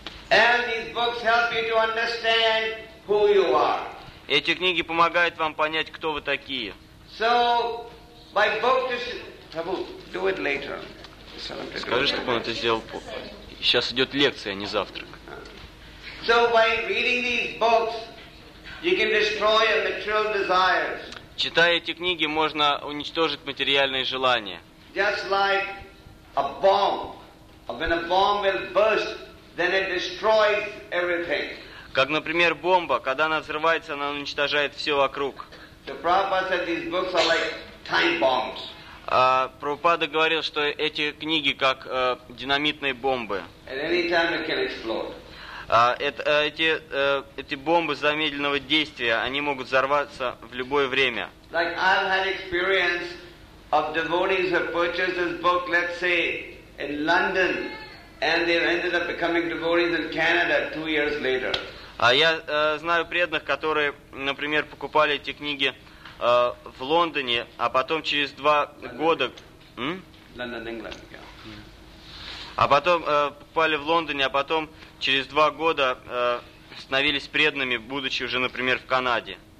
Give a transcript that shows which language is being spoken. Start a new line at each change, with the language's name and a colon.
English: And these books help you to understand who you are.
Russian: Эти книги помогают вам понять, кто вы такие.
English: So, by book to... Prabhu, do it later.
Russian: Скажи, чтобы он это сделал позже. Сейчас идет лекция, а не завтрак.
English: So, by reading these books, you can destroy your material desires.
Russian: Читая эти книги, можно уничтожить материальные желания.
English: Just like a bomb. When a bomb will burst, then it destroys everything.
Russian: Как, например, бомба, когда она взрывается, она уничтожает все вокруг.
English: So Prabhupada said these books are like time bombs.
Russian: Прабхупада говорил, что эти книги как динамитные бомбы.
English: At any time it can explode.
Russian: Эти бомбы замедленного действия, они могут взорваться в любое время.
English: Like I've had experience of devotees who purchased this book, let's say, in London, and they ended up becoming devotees in Canada 2 years later.
Russian: Я знаю преданных, которые, например, покупали эти книги в Лондоне, а потом через два года...
English: London, England, yeah.
Russian: А потом попали в Лондоне, а потом через два года становились преданными, будучи уже, например, в Канаде.